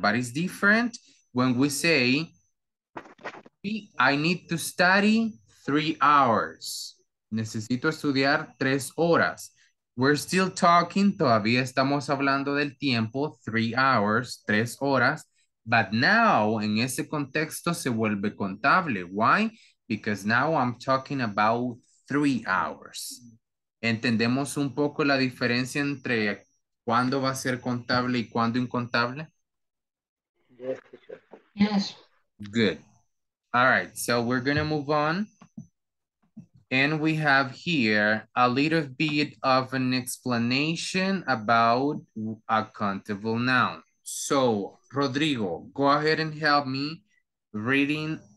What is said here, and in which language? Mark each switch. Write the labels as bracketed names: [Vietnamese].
[English] But it's different when we say, I need to study 3 hours. [Spanish] Necesito estudiar 3 horas. [English] We're still talking, [Spanish] todavía estamos hablando del tiempo, [English] 3 hours, [Spanish] 3 horas. [English] But now, [Spanish] en ese contexto, se vuelve contable. [English] Why? Because now I'm talking about 3 hours. [Spanish] ¿Entendemos un poco la diferencia entre cuándo va a ser contable y cuándo incontable? [English] Yes. Good. All right, so we're going to move on. And we have here a little bit of an explanation about a countable noun. So, Rodrigo, go ahead and help me reading